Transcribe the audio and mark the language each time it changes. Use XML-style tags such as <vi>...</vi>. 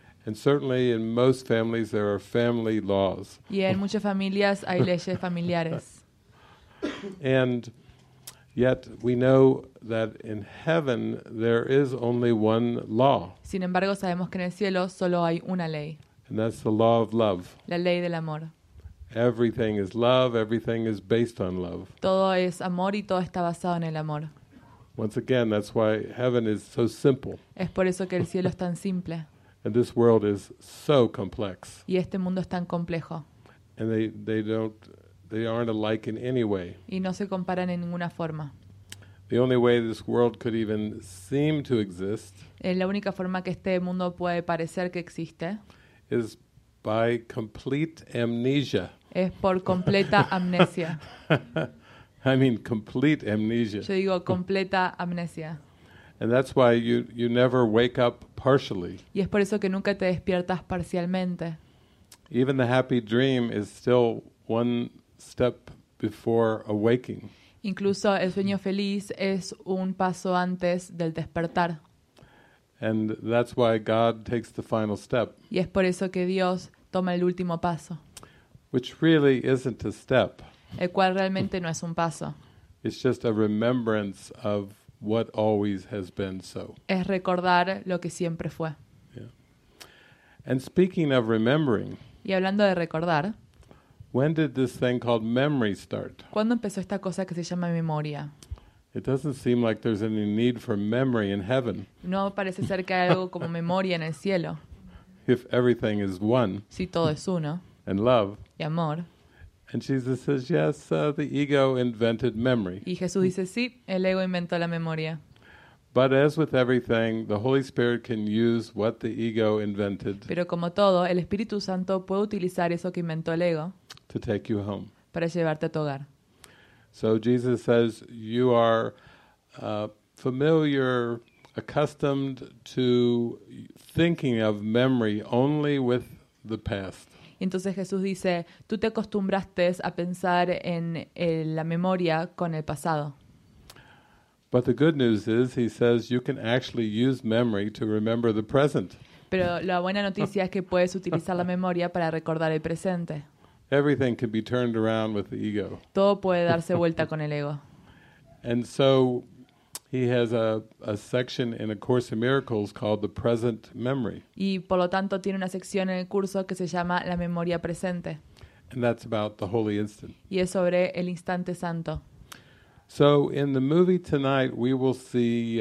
<en>And certainly in most families there are family laws.</en> <es>Y en muchas familias hay leyes familiares.</es> <en>And yet we know that in heaven there is only one law.</en> <es>Sin embargo, sabemos que en el cielo solo hay una ley.</es> <en>And that's the law of love.</en> <es>La ley del amor.</es> <en>Everything is love, everything is based on love.</en> <es>Todo es amor y todo está basado en el amor.</es> <en>Once again, that's why heaven is so simple.</en> <es>Es por eso que el cielo es tan simple.</es> <en>And this world is so complex.</en> <es>Y este mundo es tan complejo.</es> <en>And they aren't alike in any way.</en> <es>Y no se comparan en ninguna forma.</es> <en>The only way this world could even seem to exist.</en> <es>La única forma que este mundo puede parecer que existe.</es> <en>Is by complete amnesia.</en> <es>Es por completa amnesia.</es> <en>I mean complete amnesia.</en> <es>Yo digo completa amnesia.</es> <en>And that's why you never wake up partially.</en> <es>Y es por eso que nunca te despiertas parcialmente.</es> <en>Even the happy dream is still one step before awaking.</en> <es>Incluso el sueño feliz es un paso antes del despertar.</es> <en>And that's why God takes the final step.</en> <es>Y es por eso que Dios toma el último paso.</es> <en>Which really isn't a step.</en> <es>El cual realmente no es un paso.</es> <en>It's just a remembrance of what always has been so.</en> <es>Es recordar lo que siempre fue.</es> <en>Yeah. And speaking of remembering.</en> <es>Y hablando de recordar.</es> <en>When did this thing called memory start?</en> <es>¿Cuándo empezó esta cosa que se llama memoria?</es> <en>It doesn't seem like there's any need for memory in heaven.</en> <es>No parece ser que hay algo como memoria en el cielo.</es> <en>If everything is one.</en> <es>Si todo es uno.</es> <en>And love.</en> <es>Y amor.</es> <en>And Jesus says, yes, the ego invented memory.</en> <es>Y Jesús dice, sí, el ego inventó la memoria.</es> <en>But as with everything, the Holy Spirit can use what the ego invented.</en> <es>Pero como todo, el Espíritu Santo puede utilizar eso que inventó el ego.</es> <en>To take you home.</en> <es>Para llevarte a tu hogar.</es> <en>So Jesus says, you are familiar, accustomed to thinking of memory only with the past.</en> <es>Entonces Jesús dice, tú te acostumbraste a pensar en la memoria con el pasado.</es> <en>But the good news is, he says, you can actually use memory to remember the present.</en> <es>Pero la buena noticia es que puedes utilizar la memoria para recordar el presente.</es> <en>Everything can be turned around with the ego.</en> <es>Todo puede darse vuelta con el ego.</es> <en>And so he has a section in A Course in Miracles called the present memory.</en> <es>Y por lo tanto tiene una sección en el curso que se llama la memoria presente.</es> <en>And that's about the holy instant.</en> <es>Y es sobre el instante santo.</es> <en>So in the movie tonight we will see</en>